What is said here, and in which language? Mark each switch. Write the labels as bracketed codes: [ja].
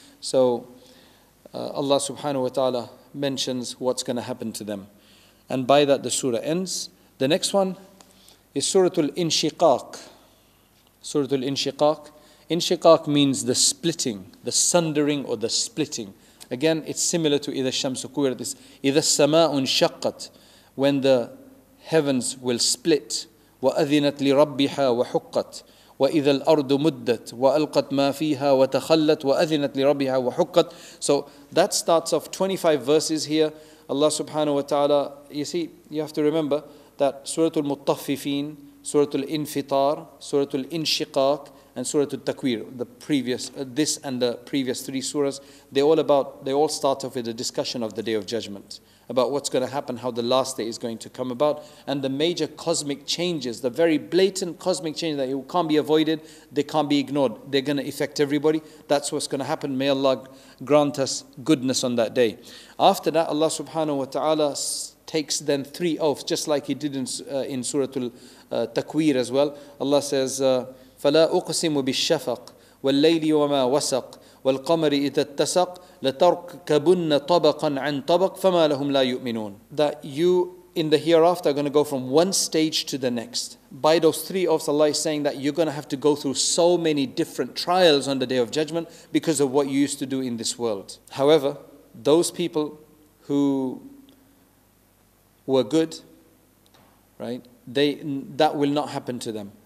[en] So Allah subhanahu wa ta'ala mentions what's going to happen to them. And by that, the surah ends. The next one is Suratul Inshiqaq. Suratul Inshiqaq. Inshiqaq means the splitting, the sundering or the splitting. Again, it's similar to [ar] إِذَا الشَّمْسُ كُوِرَتْ. [en] It's [ar] إِذَا السَّمَاءٌ شَقَّتْ. [en] When the heavens will split. [ar] وَأَذِنَتْ لِرَبِّهَا وَحُقَّتْ. وَإِذَا الْأَرْضُ مُدَّتْ وَأَلْقَتْ مَا فِيهَا وَتَخَلَّتْ وَأَذِنَتْ لِرَبِّهَا وَحُقَّتْ. [en] So that starts off 25 verses here. Allah subhanahu wa ta'ala, you see, you have to remember that Suratul Mutaffifin, Suratul Infitar, Suratul Inshiqaq, and Suratul Takwir, this and the previous three surahs, they all start off with a discussion of the Day of Judgment, about what's going to happen, how the last day is going to come about, and the major cosmic changes, the very blatant cosmic change that it can't be avoided, they can't be ignored. They're going to affect everybody. That's what's going to happen. May Allah grant us goodness on that day. After that, Allah subhanahu wa ta'ala takes then three oaths, just like he did in Suratul Takwir as well. Allah says, [ar] فَلَا أُقْسِمُ بِالشَّفَقِ وَاللَّيْلِ وَمَا وَسَقْ وَالْقَمَرِ إِذَا اتَّسَقْ لَتَرْكَبُنَّ طَبَقًا عَنْ طَبَقٍ فَمَا لَهُمْ لَا يُؤْمِنُونَ. [en] That you in the hereafter are going to go from one stage to the next. By those three oaths, Allah is saying that you're going to have to go through so many different trials on the Day of Judgment because of what you used to do in this world. However, those people who were good, right, that will not happen to them.